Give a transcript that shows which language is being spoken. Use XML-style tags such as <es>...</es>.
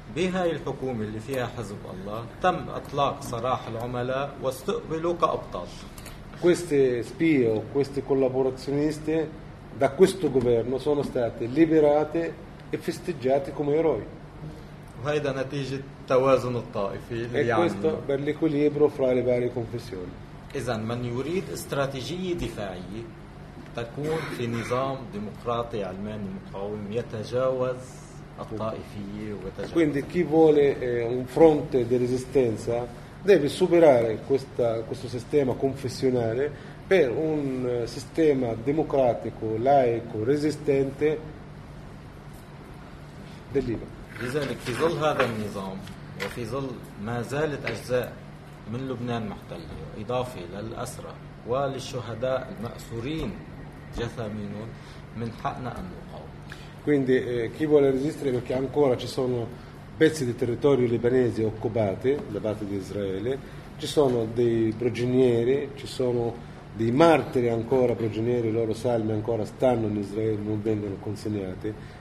<ar>بهاي الحكومة اللي فيها حزب الله تم إطلاق سراح العملاء واستقبلوا كأبطال.</ar> <it>Queste spie o queste collaborazioniste da questo governo sono state liberate e festeggiate come eroi.</it> <ar>وهذا نتيجة توازن الطائفي.</ar> <it>E questo per l'equilibrio fra le varie confessioni.</it> <ar>إذن من يريد استراتيجية دفاعية تكون في نظام ديمقراطي علماني مقاوم يتجاوز الطائفية ويتجاوز.</ar> <it>Quindi chi vuole un fronte di resistenza deve superare questo sistema confessionale per un sistema democratico, laico, resistente del Libano.</it> <ar>لذلك في ظل هذا النظام وفي ظل ما زالت أجزاء من لبنان محتلة إضافة للأسرى وللشهداء المأسورين جثامينون من حقنا أن نقاوم.</ar> <it>Quindi chi vuole resistere perché ancora ci sono pezzi di territorio libanese occupati da parte di Israele, ci sono dei prigionieri, ci sono dei martiri ancora prigionieri, loro salme ancora stanno in Israele, non vengono consegnate.</it>